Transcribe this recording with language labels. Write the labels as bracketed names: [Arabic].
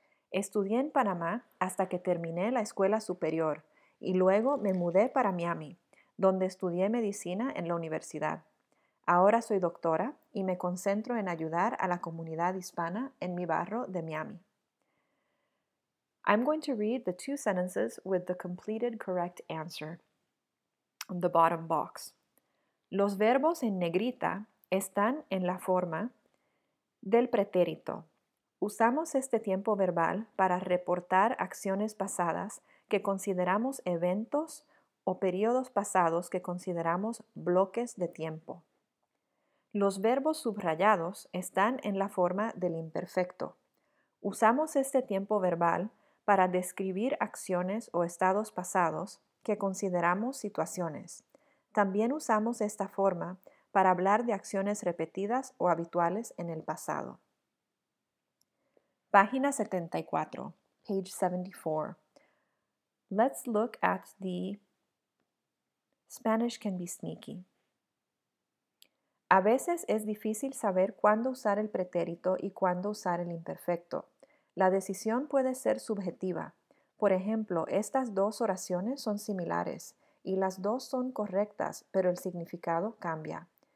[Spanish] Estudié en Panamá hasta que terminé la escuela superior y luego me mudé para Miami, donde estudié medicina en la universidad. Ahora soy doctora y me concentro en ayudar a la comunidad hispana en mi barrio de Miami. [English] I'm going to read the two sentences with the completed correct answer. The bottom box. [Spanish] Los verbos en negrita están en la forma del pretérito. Usamos este tiempo verbal para reportar acciones pasadas que consideramos eventos o periodos pasados que consideramos bloques de tiempo. Los verbos subrayados están en la forma del imperfecto. Usamos este tiempo verbal para describir acciones o estados pasados que consideramos situaciones. También usamos esta forma para hablar de acciones repetidas o habituales en el pasado. Página 74, [English] page 74. Let's look at the Spanish can be sneaky. [Spanish] A veces es difícil saber cuándo usar el pretérito y cuándo usar el imperfecto. La decisión puede ser subjetiva. Por ejemplo, estas dos oraciones son similares y las dos son correctas, pero el significado cambia.